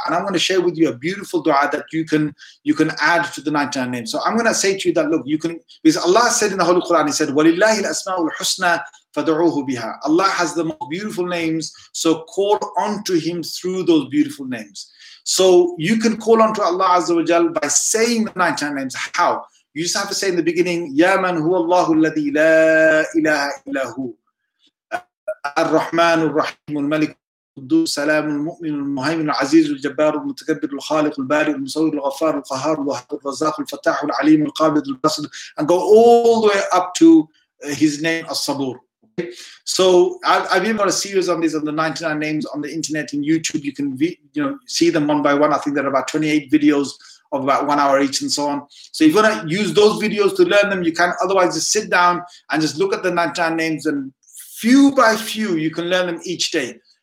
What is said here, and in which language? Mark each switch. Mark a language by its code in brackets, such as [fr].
[en] And I'm going to share with you a beautiful dua that you can add to the 99 names. So I'm going to say to you that, look, you can, because Allah said in the Holy Quran, He said, [ar] وَلِلَّهِ الْأَسْمَاءُ الْحُسْنَى فَدْعُوهُ بِهَا. [en] Allah has the most beautiful names, so call onto Him through those beautiful names. So you can call onto Allah Azza wa Jalla by saying the 99 names. How? You just have to say in the beginning, [ar] يَا مَنْ هُوَ اللَّهُ الَّذِي لَا إِلَهَ إِلَهُ الرحمن الرحيم الملك القدوس السلام المؤمن المهيمن العزيز الجبار المتكبر الخالق البارئ المصور الغفار القهار الوهاب الرزاق الفتاح العليم القابض البصر [en] and go all the way up to his name [ar] الصبور. [en] So I've even got a series on these, on the 99 names on the internet and YouTube. You can see them one by one. I think there are about 28 videos of about 1 hour each and so on. So if you want to use those videos to learn them, you can. Otherwise, just sit down and just look at the 99 names, and few by few, you can learn them each day.